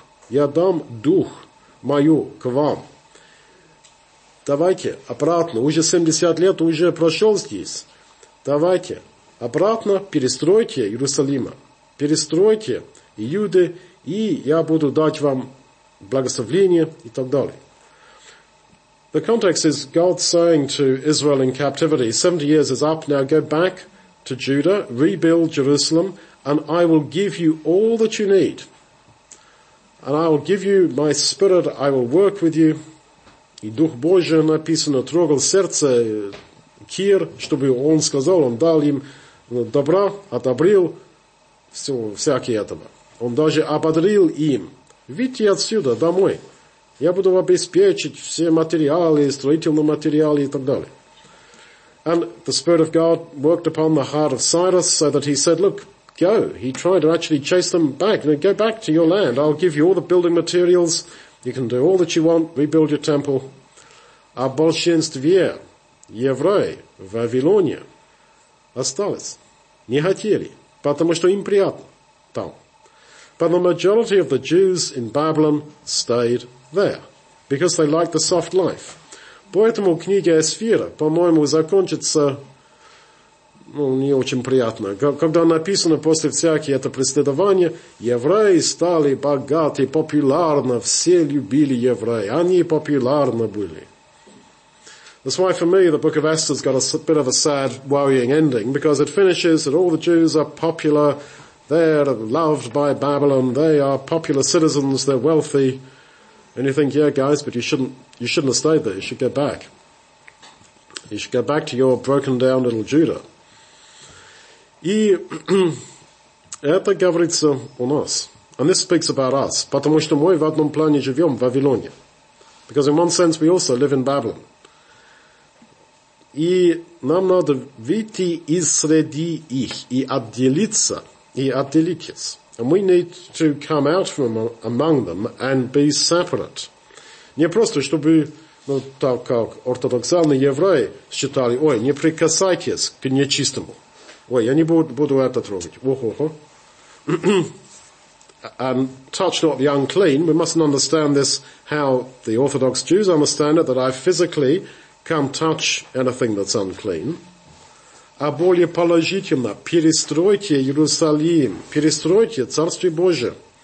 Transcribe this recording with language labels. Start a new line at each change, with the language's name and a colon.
Russian: Я дам дух мою к вам. Давайте обратно, уже 70 лет уже прошел здесь. Давайте обратно перестройте Иерусалима, перестройте юды, и я буду дать вам благословение и так далее.
English: The context is God saying to Israel in captivity, 70 years is up, now go back to Judah, rebuild Jerusalem, and I will give you all that you need. And I will give you my spirit, I will work with you.
Russian: И Дух Божий написано, трогал сердце Кир, чтобы он сказал, он дал им добра, одобрил все, всякие этого. Он даже ободрил им. Видите отсюда, домой. Я буду обеспечить все материалы, строительные материалы и так далее.
English: And the Spirit of God worked upon the heart of Cyrus so that he said, look, go. He tried to actually chase them back. You know, go back to your land. I'll give you all the building materials. You can do all that you want. Rebuild your temple.
Russian: А большинстве евреи в Вавилоне остались. Не хотели, потому что им приятно там.
English: But the majority of the Jews in Babylon stayed there because they liked the soft life.
Russian: Поэтому книга Эсфира, по-моему, закончится, ну, не очень приятно. Когда написано после всяких это преследование, евреи стали богаты, популярны, все любили евреи. Они популярны были.
English: That's why for me the book of Esther's got a bit of a sad, worrying ending because it finishes that all the Jews are popular. They're loved by Babylon. They are popular citizens. They're wealthy. And you think, yeah, guys, but you shouldn't have stayed there. You should go back. You should go back to your broken down little Judah.
Russian: И это говорится у нас.
English: And this speaks about us.
Russian: Потому что мы в одном плане живем в Вавилоне.
English: Because in one sense, we also live in Babylon.
Russian: И нам надо выйти из среди их и отделиться.
English: And we need to come out from among them and be separate.
Russian: Не просто, чтобы, ну, так как ортодоксальные евреи считали, ой, не прикасайтесь к нечистому. Ой, я не буду это трогать. Ох-ох-ох.
English: And touch not the unclean. We mustn't understand this how the Orthodox Jews understand it, that I physically can't touch anything that's unclean.
Russian: А более положительно, перестройте Иерусалим, перестройте Царствие Божие.